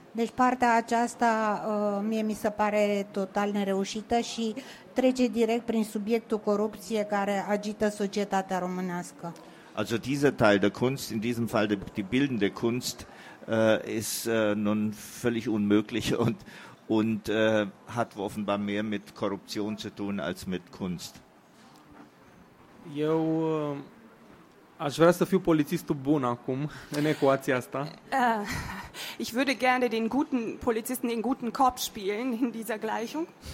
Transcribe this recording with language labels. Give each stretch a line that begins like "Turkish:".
Romanian: Deci partea aceasta mie mi se pare total nereușită și trece direct prin subiectul corupție care agită societatea românească.
German: Also dieser Teil der Kunst, in diesem Fall die bildende Kunst, ist nun völlig unmöglich und hat offenbar mehr mit Korruption zu tun als mit Kunst.
Romanian: Eu aș vrea să fiu polițistul bun acum în ecuația asta.
German: Ich würde gerne den guten Polizisten, den guten Kopf spielen in dieser Gleichung.